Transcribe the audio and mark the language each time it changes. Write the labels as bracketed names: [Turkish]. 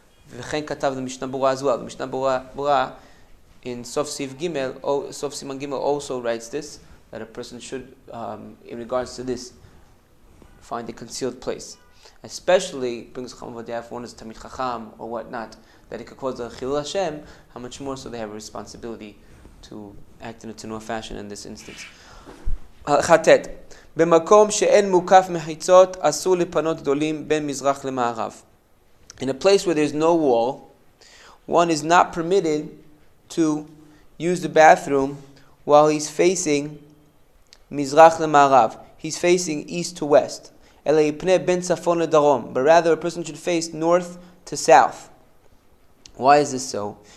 [Hebrew] V'chen katav [English] the Mishnah Berurah as well. The Mishnah Berurah in Sof Siv Gimel, Sof Siman Gimel also writes this, that a person should, in regards to this, find a concealed place. Especially, brings Chacham Avadia, if one is Tamid Chacham or whatnot, that it could cause a Chilul Hashem, how much more so they have a responsibility to act in a tenuah fashion in this instance. [Hebrew] Chatet. במקום שאין מוקף מחיצות אסור לפנות גדולים בין מזרח למערב. [English] In a place where there's no wall, one is not permitted to use the bathroom while he's facing מזרח למערב. He's facing east to west. [Hebrew] אלא יפנה בין צפון לדרום. [English] But rather a person should face north to south. Why is this so?